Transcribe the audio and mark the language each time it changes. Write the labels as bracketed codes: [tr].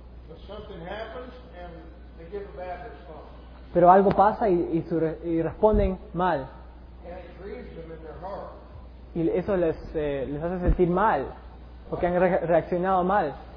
[en] But something happens and they give a bad response. [es] Pero algo pasa y responden mal. [en] And it grieves them in their heart. [es] Y eso les hace sentir mal, porque han reaccionado mal.